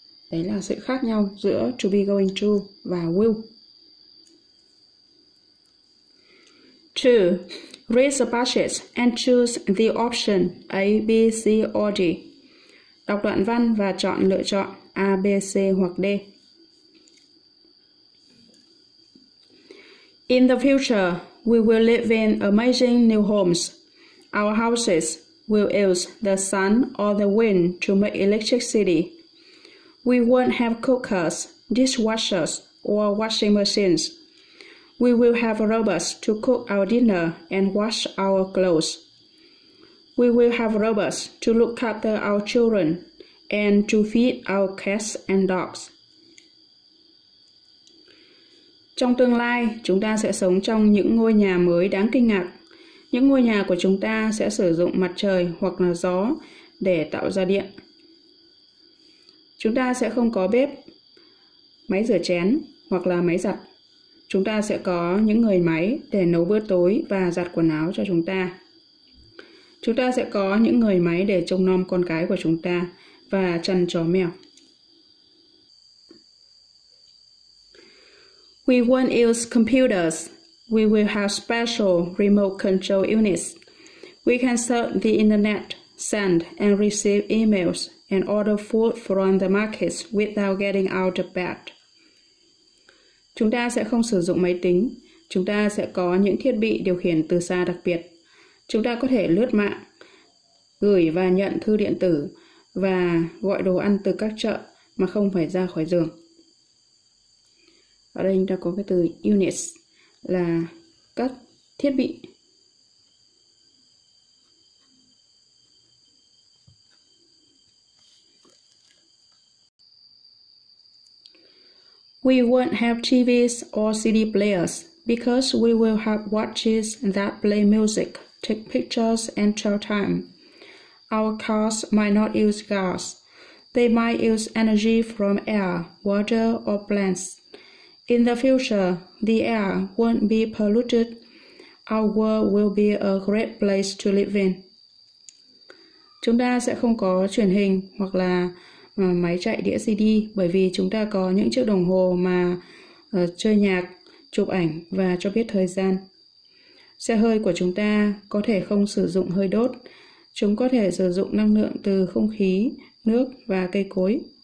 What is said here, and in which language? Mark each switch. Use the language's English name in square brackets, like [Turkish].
[Vietnamese] Đấy là sự khác nhau giữa [English] to be going to [Vietnamese] và will. [English] To raise a budget and choose the option A, B, C or D. [Vietnamese] Đọc đoạn văn và chọn lựa chọn A, B, C hoặc D. [English] In the future, we will live in amazing new homes. Our houses will use the sun or the wind to make electricity. We won't have cookers, dishwashers, or washing machines. We will have robots to cook our dinner and wash our clothes. We will have robots to look after our children and to feed our cats and dogs. [Vietnamese] Trong tương lai, chúng ta sẽ sống trong những ngôi nhà mới đáng kinh ngạc. Những ngôi nhà của chúng ta sẽ sử dụng mặt trời hoặc là gió để tạo ra điện. Chúng ta sẽ không có bếp, máy rửa chén hoặc là máy giặt. Chúng ta sẽ có những người máy để nấu bữa tối và giặt quần áo cho chúng ta. Chúng ta sẽ có những người máy để trông nom con cái của chúng ta và chăn chó mèo. [English] We won't use computers. We will have special remote control units. We can search the internet, send and receive emails, and order food from the markets without getting out of bed. [Vietnamese] Chúng ta sẽ không sử dụng máy tính. Chúng ta sẽ có những thiết bị điều khiển từ xa đặc biệt. Chúng ta có thể lướt mạng, gửi và nhận thư điện tử và gọi đồ ăn từ các chợ mà không phải ra khỏi giường. Ở đây chúng ta có cái từ units, là các thiết bị. [English] We won't have TVs or CD players because we will have watches that play music, take pictures and tell time. Our cars might not use gas. They might use energy from air, water or plants. In the future, the air won't be polluted. Our world will be a great place to live in. [Vietnamese] Chúng ta sẽ không có truyền hình hoặc là máy chạy đĩa CD bởi vì chúng ta có những chiếc đồng hồ mà chơi nhạc, chụp ảnh và cho biết thời gian. Xe hơi của chúng ta có thể không sử dụng hơi đốt. Chúng có thể sử dụng năng lượng từ không khí, nước và cây cối.